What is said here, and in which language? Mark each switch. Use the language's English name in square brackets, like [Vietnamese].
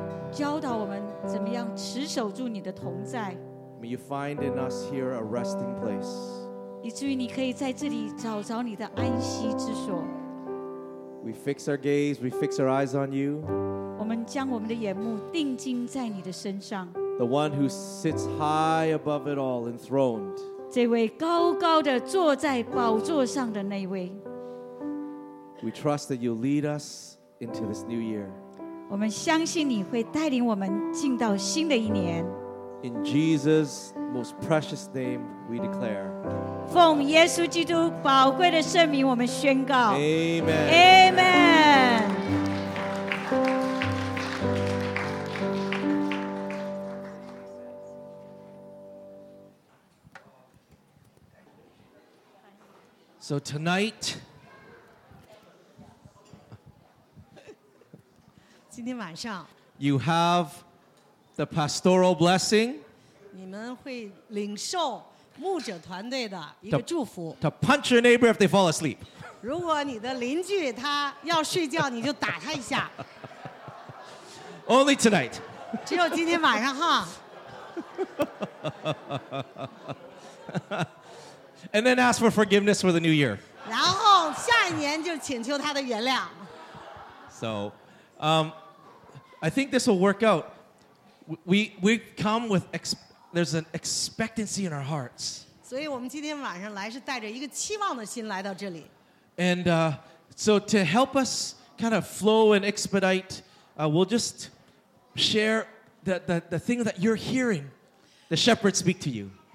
[Chinese] 教导我们怎么样持守住你的同在。 [English] May you find in us here a resting place. [Chinese] 以至于你可以在这里找着你的安息之所。 [English] We fix our gaze, we fix our eyes on you. [Chinese] 我们将我们的眼目定睛在你的身上。 [English] The one who sits high above it all, enthroned. [Chinese] 这位高高的坐在宝座上的那位。 [English] We trust that you lead us into this new year. [Chinese] 我们相信你会带领我们进到新的一年。 [English] In Jesus' most precious name, we declare. [Chinese] 奉耶稣基督宝贵的圣名，我们宣告。 [English] Amen. Amen. So tonight. [Chinese] 今天晚上, [English] you have the pastoral blessing. [Chinese] 你们会领受牧者团队的一个祝福, [English] to punch your neighbor if they fall asleep. [Chinese] 如果你的邻居他要睡觉, 你就打他一下。 [English] Only tonight. [Chinese] 只有今天晚上, huh? [English] And then ask for forgiveness for the new year. [Chinese] 然后下一年就请求他的原谅。 [English] So, I think this will work out. We come with there's an expectancy in our hearts. [Chinese] 所以我们今天晚上来是带着一个期望的心来到这里。 [English] And so to help us kind of flow and expedite, we'll just share the thing that you're hearing the shepherd speak to you.